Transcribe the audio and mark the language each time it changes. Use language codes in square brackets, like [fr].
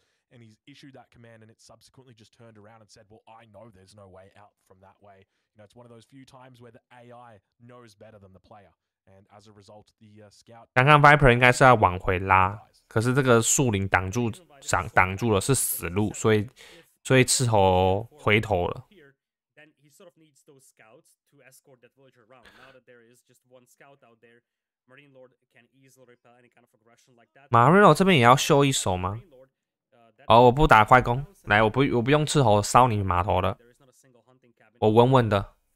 [en] And he's issued that command, and it subsequently just turned around and said, "Well, I know there's no way out from that way." You know, it's one of those few times where the AI knows better than the player, and as a result, the scout. [zh] 刚刚 Viper 应该是要往回拉，可是这个树林挡住了是死路，所以赤猴回头了。 [en] Then he sort of needs those scouts to escort that villager around. Now that there is just one scout out there, Marine Lord can easily repel any kind of aggression like that. [zh] Marino 这边也要秀一手吗？哦，我不打快攻，来，我不用斥候烧你码头的，我稳稳的，